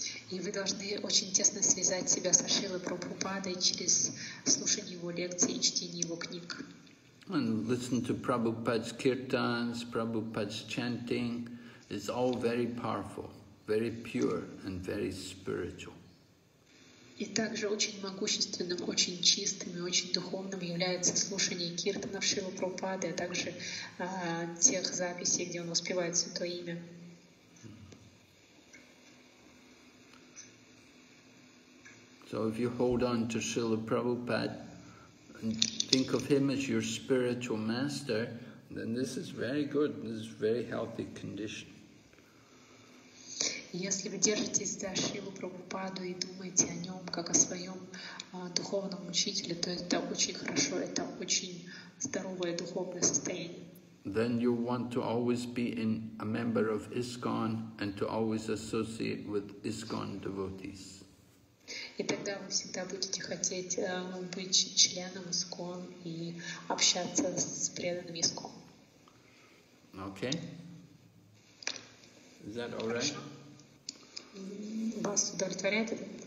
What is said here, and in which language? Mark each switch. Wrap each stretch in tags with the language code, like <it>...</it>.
<ru>И вы должны очень тесно связать себя со Шрилой Прабхупадой через слушание его лекций и чтение его книг.</ru> <en>And listen to Prabhupada's kirtans, Prabhupada's chanting. It's all very powerful, very pure, and very spiritual.</en> <ru>И также очень могущественным, очень чистым и очень духовным является слушание киртанов Шрилы Прабхупады, а также тех записей, где он воспевает Святое Имя.</ru> <en>So if you hold on to Srila Prabhupada and think of him as your spiritual master, then this is very good, this is very healthy condition.</en> <ru>Если вы держитесь за Шрилу Прабхупаду и думаете о нем как о своем духовном учителе, то это очень хорошо, это очень здоровое духовное состояние.</ru> <en>Then you want to always be in a member of ISKCON and to always associate with ISKCON devotees.</en> <ru>И тогда вы всегда будете хотеть быть членом ISKCON и общаться с преданным ISKCON.</ru> <en>Okay. Is that all right?</en> <ru>Вас удовлетворяет это?</ru>